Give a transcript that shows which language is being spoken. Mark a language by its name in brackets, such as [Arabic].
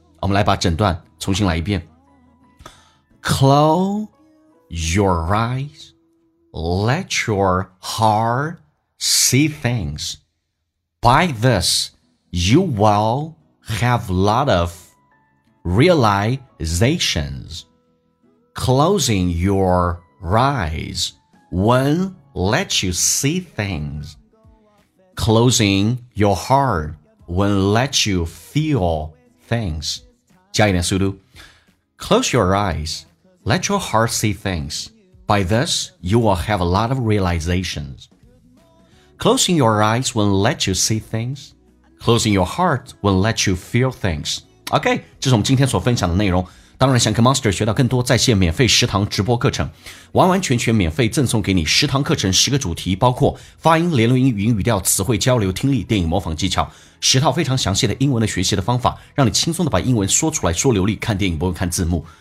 [Chinese] 我们来把整段重新来一遍。 [English] Close your eyes, let your heart see things. By this, you will have a lot ofrealizations. Closing your eyes won't let you see things. Closing your heart won't let you feel things. [Chinese] 加一点速度。 [English] Close your eyes, let your heart see things. By this, you will have a lot of realizations. Closing your eyes won't let you see things. Closing your heart won't let you feel things. [Chinese] OK, 这是我们今天所分享的内容。当然想跟 Master 学到更多在线免费十堂直播课程，完完全全免费赠送给你十堂课程，十个主题，包括发音、连轮音、语音语调、词汇交流、听力、电影模仿技巧，十套非常详细的英文的学习的方法，让你轻松的把英文说出来说流利，看电影不用看字幕。